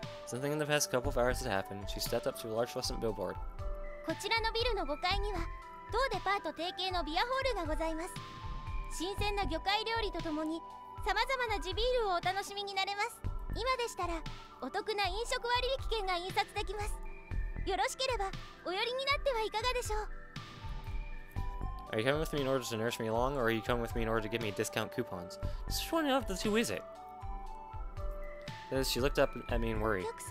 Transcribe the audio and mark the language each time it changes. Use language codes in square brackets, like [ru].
[en] Something in the past couple of hours had happened. She stepped up to a large fluorescent billboard. [ja] こちらのビルの5階には当デパート提携のビアホールがございます。新鮮な魚介料理とともに様々な地ビールをお楽しみになれます。今でしたらお得な飲食割引券が印刷できます。よろしければお寄りになってはいかがでしょう。 [en] Are you coming with me in order to nurse me along, or are you coming with me in order to give me discount coupons? Just one of the two, is it? As she looked up at me in worry.